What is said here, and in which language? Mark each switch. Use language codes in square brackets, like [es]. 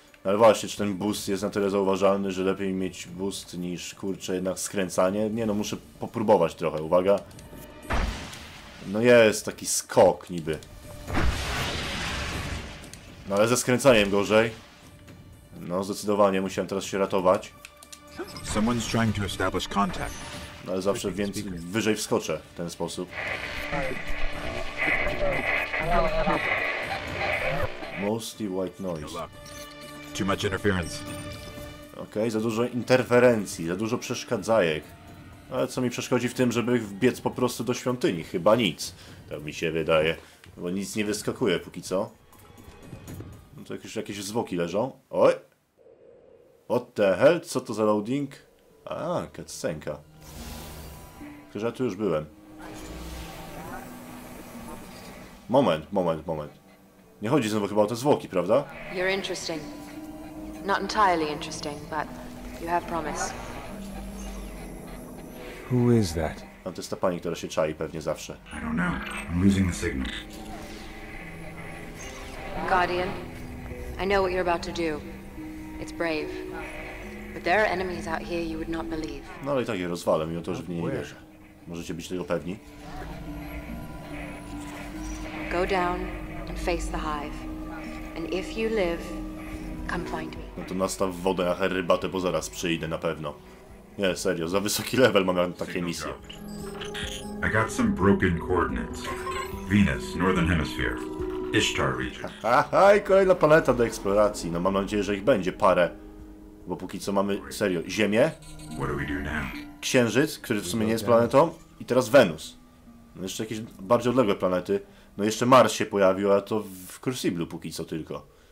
[pl] No ale właśnie, czy ten boost jest na tyle zauważalny, że lepiej mieć boost niż, kurczę, jednak skręcanie? Nie no, muszę popróbować trochę, uwaga. No jest taki skok niby. No ale ze skręcaniem gorzej. No zdecydowanie, musiałem teraz się ratować. [en] Someone's trying to establish contact. [pl] No ale zawsze więc wyżej wskoczę w ten sposób. [en] Mostly white noise. Too much interference. [pl] Okej, za dużo interferencji, za dużo przeszkadzajek. Ale co mi przeszkodzi w tym, żeby wbiec po prostu do świątyni? Chyba nic. Tak mi się wydaje. Bo nic nie wyskakuje póki co. No to już jakieś zwłoki leżą. Oj! [en] What the hell? [pl] Co to za loading? Cutscenka. Tylko, że ja tu już byłem. Moment. Nie chodzi znowu chyba o te zwłoki, prawda? [en] You're interesting. Not entirely interesting, but you have promise. Who is that? [pl] No to jest ta pani, która się czai pewnie zawsze. [en] I don't know. I'm losing the signal. Guardian, I know what you're about to do. It's brave. But there are enemies out here you would not believe. [pl] No ale i tak je rozwalę, mimo to, że w niej nie wierzę. Możecie być tego pewni. [en] Go down and face the hive. And if you live, come find me. [pl] No to nastaw wodę na herbatę, bo zaraz przyjdę na pewno. Nie, serio, za wysoki level mam takie misje. [en] I got some broken coordinates. Venus, Northern Hemisphere, Ishtar region. [pl] Haha, i kolejna planeta do eksploracji. No mam nadzieję, że ich będzie parę. Bo póki co mamy, serio, Ziemię. [en] What do we do now? [pl] Księżyc, który w sumie nie jest planetą. I teraz Wenus. No jeszcze jakieś bardziej odległe planety. No jeszcze Mars się pojawił, ale to w Crucible póki co tylko.